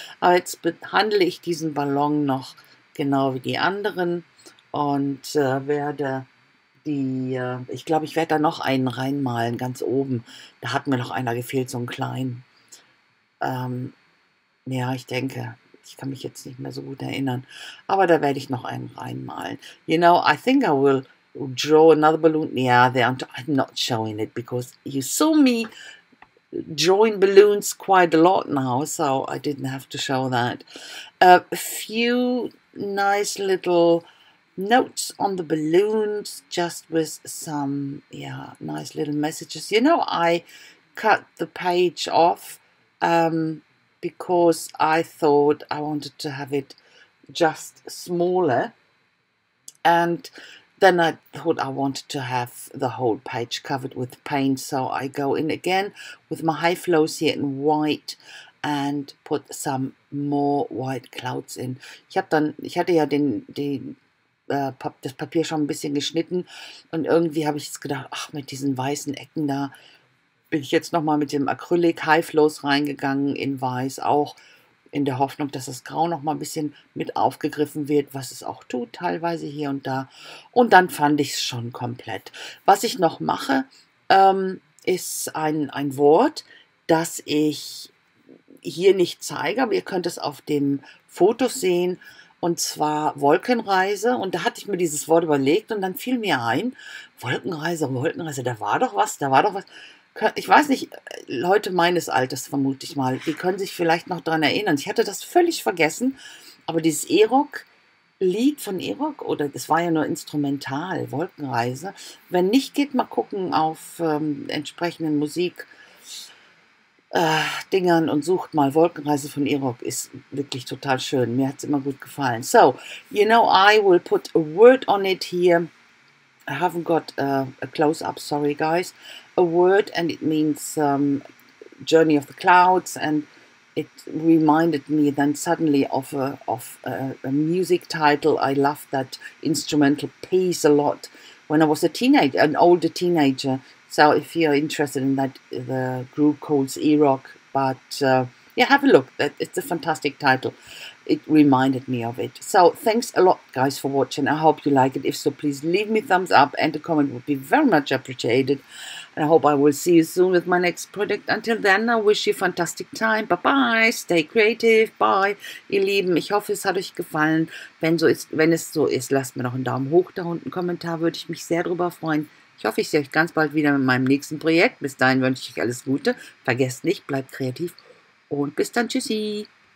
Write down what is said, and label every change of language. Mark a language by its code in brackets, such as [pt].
[de] Aber jetzt behandle ich diesen Ballon noch genau wie die anderen und werde die, ich glaube, ich werde da noch einen reinmalen, ganz oben. Da hat mir noch einer gefehlt, so einen kleinen. Ja, ich denke, ich kann mich jetzt nicht mehr so gut erinnern. Aber da werde ich noch einen reinmalen. [en] You know, I think I will... draw another balloon. Yeah, I'm not showing it because you saw me drawing balloons quite a lot now, so I didn't have to show that. A few nice little notes on the balloons, just with some, yeah, nice little messages. You know, I cut the page off because I thought I wanted to have it just smaller. And then I thought I wanted to have the whole page covered with paint. So I go in again with my high flows here in white and put some more white clouds in. [de] Ich hatte ja das Papier schon ein bisschen geschnitten und irgendwie habe ich jetzt gedacht, ach, mit diesen weißen Ecken da bin ich jetzt nochmal mit dem Acrylic High Flows reingegangen in weiß, auch in der Hoffnung, dass das Grau noch mal ein bisschen mit aufgegriffen wird, was es auch tut, teilweise hier und da. Und dann fand ich es schon komplett. Was ich noch mache, ist ein Wort, das ich hier nicht zeige, aber ihr könnt es auf dem Foto sehen, und zwar Wolkenreise. Und da hatte ich mir dieses Wort überlegt und dann fiel mir ein, Wolkenreise, Wolkenreise, da war doch was, da war doch was. Ich weiß nicht, Leute meines Alters vermute ich mal, die können sich vielleicht noch daran erinnern. Ich hatte das völlig vergessen, aber dieses Erok-Lied von Erok, oder das war ja nur instrumental, Wolkenreise. Wenn nicht, geht mal gucken auf entsprechenden Musik-Dingern und sucht mal. Wolkenreise von Erok ist wirklich total schön. Mir hat es immer gut gefallen. [en] So, you know, I will put a word on it here. I haven't got a close-up, sorry guys, a word, and it means journey of the clouds, and it reminded me then suddenly of a music title. I loved that instrumental piece a lot when I was a teenager, an older teenager. So if you're interested in that, the group calls Erok, but yeah, have a look. It's a fantastic title. It reminded me of it. So thanks a lot, guys, for watching. I hope you like it. If so, please leave me a thumbs up and a comment would be very much appreciated. And I hope I will see you soon with my next project. Until then, I wish you a fantastic time. Bye-bye. Stay creative. Bye, [de] ihr Lieben. Ich hoffe, es hat euch gefallen. Wenn es so ist, lasst mir noch einen Daumen hoch da unten. Einen Kommentar würde ich mich sehr drüber freuen. Ich hoffe, ich sehe euch ganz bald wieder mit meinem nächsten Projekt. Bis dahin wünsche ich euch alles Gute. Vergesst nicht, bleibt kreativ. Und bis dann. Tschüssi.